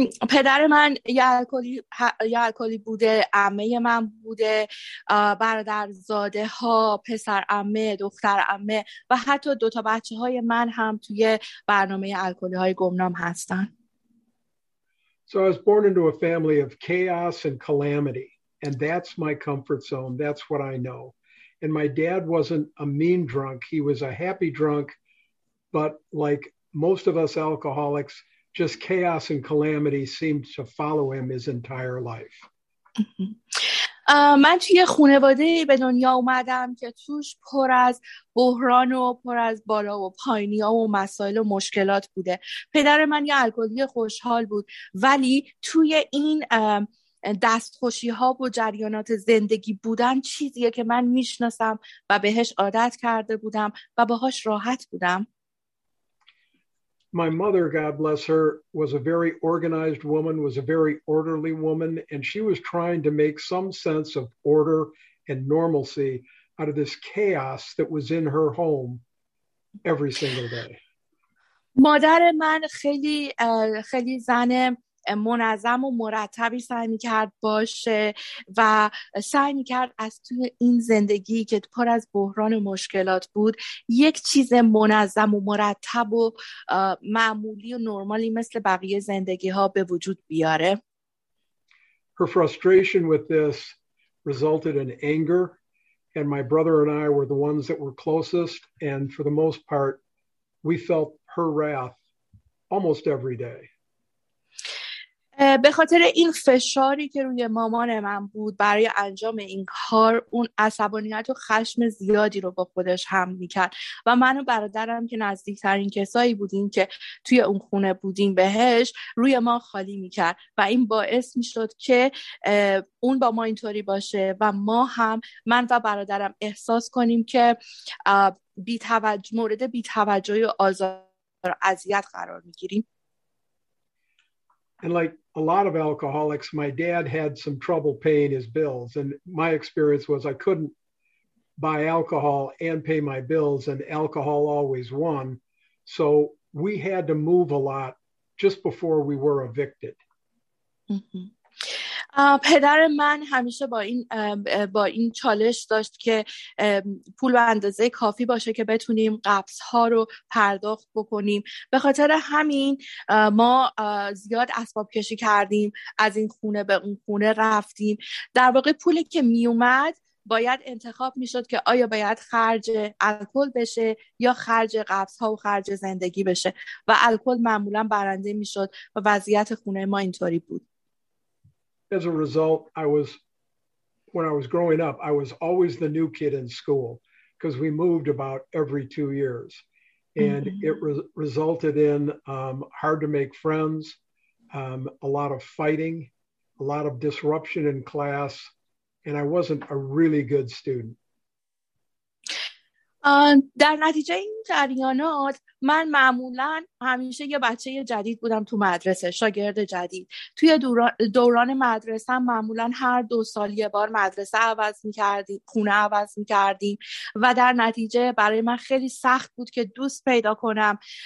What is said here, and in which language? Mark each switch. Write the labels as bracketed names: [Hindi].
[Persian] پدر من یه الکلی بوده، عمه من بوده، برادر زاده ها، پسر عمه، دختر عمه و حتی دوتا بچه های من هم توی برنامه الکلی های گمنام هستن. [English] So I was born into a family of chaos and calamity, and that's my comfort zone. That's what I know. And my dad wasn't a mean drunk. He was a happy drunk, but like most of us alcoholics, just chaos and calamity seemed to follow him his entire life. [Persian] من توی خانواده به دنیا اومدم که توش پر از بحران و پر از بالا و پایینی ها و مسائل و مشکلات بوده. پدر من یه الکلی خوشحال بود، ولی توی این دستخوشی ها و جریانات زندگی بودن چیزیه که من میشناسم و بهش عادت کرده بودم و باهاش راحت بودم. [English] My mother, God bless her, was a very organized woman, was a very orderly woman, and she was trying to make some sense of order and normalcy out of this chaos that was in her home every single day. [Persian] مادر من خیلی خیلی زن منظم و مرتبی سعی می‌کرد باشه و سعی می‌کرد از توی این زندگی که پر از بحران و مشکلات بود یک چیز منظم و مرتب و معمولی و نرمالی مثل بقیه زندگی‌ها به وجود بیاره. [English] Her frustration with this resulted in anger, and my brother and I were the ones that were closest, and for the most part we felt her wrath almost every day. [Persian] به خاطر این فشاری که روی مامان من بود برای انجام این کار، اون عصبانیت و خشم زیادی رو با خودش هم می‌کرد و من و برادرم که نزدیکترین کسایی بودیم که توی اون خونه بودیم بهش، روی ما خالی می‌کرد و این باعث می‌شد که اون با ما اینطوری باشه و ما هم، من و برادرم، احساس کنیم که مورد بی‌توجهی و آزار و اذیت قرار می‌گیریم. [English] And like a lot of alcoholics, my dad had some trouble paying his bills. And my experience was I couldn't buy alcohol and pay my bills, and alcohol always won. So we had to move a lot just before we were evicted. [Persian] پدر من همیشه با این چالش داشت که پول و اندازه کافی باشه که بتونیم قبض ها رو پرداخت بکنیم. به خاطر همین ما زیاد اسباب کشی کردیم، از این خونه به اون خونه رفتیم. در واقع پولی که می اومد باید انتخاب می شد که آیا باید خرج الکل بشه یا خرج قبض ها و خرج زندگی بشه، و الکل معمولا برنده می شد و وضعیت خونه ما اینطوری بود. [English] As a result, when I was growing up, I was always the new kid in school because we moved about every 2 years, and it resulted in hard to make friends, a lot of fighting, a lot of disruption in class, and I wasn't a really good student. [Persian] در نتیجه این جریانات من معمولا همیشه یه بچه جدید بودم تو مدرسه، شاگرد جدید. توی دوران مدرسه معمولا هر 2 سال یه بار مدرسه عوض می‌کردیم، خونه عوض می‌کردیم، و در نتیجه برای من خیلی سخت بود که دوست پیدا کنم.